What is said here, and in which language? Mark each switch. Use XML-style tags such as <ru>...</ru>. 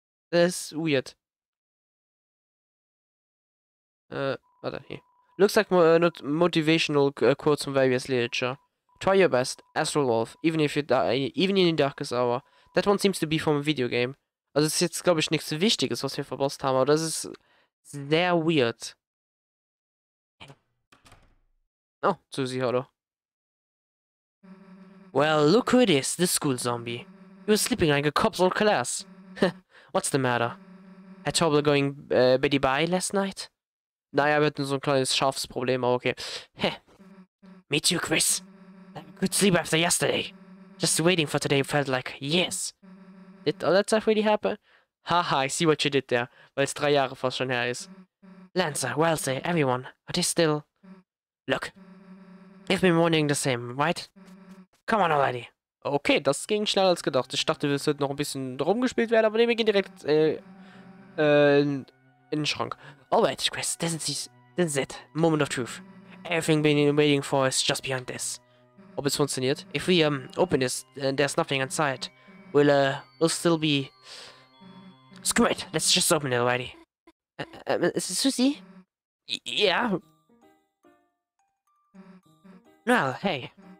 <de>Das ist weird. Warte, hier.</de> <en>Looks like motivational quotes from various literature. Try your best, Astral Wolf, even if you die, even in the darkest hour. That one seems to be from a video game.</en> <de>Also es ist jetzt, glaube ich, nichts Wichtiges, was wir verpasst haben, aber das ist sehr weird. Oh, Susie, hallo.</de> <en>Well, look who it is, the school zombie. You were sleeping like a cop's old class. What's the matter? Had trouble going bitty by last night?</en> <de>Naja, wir hatten so ein kleines Schafsproblem, aber okay.</de> <en>Me too, Chris. I could sleep after yesterday. Just waiting for today felt like years. Did all that stuff really happen? Haha, I see what you did there.</en> <de>Weil es 3 Jahre fast schon her ist.</de> <en>Lancer, Wellesley, everyone. Are they still... Look. You've been wondering the same, right? Come on already.</en> <de>Okay, das ging schneller als gedacht. Ich dachte, es wird noch ein bisschen rumgespielt werden, aber nee, wir gehen direkt in den Schrank.</de> <en>Alright, Chris, this is it. Moment of truth. Everything we've been waiting for is just beyond this.</en> <de>Ob es funktioniert?</de> <en>If we open this, then there's nothing inside. We'll still be... Screw it, let's just open it already. Is it Susie? Yeah? Well, hey.</en>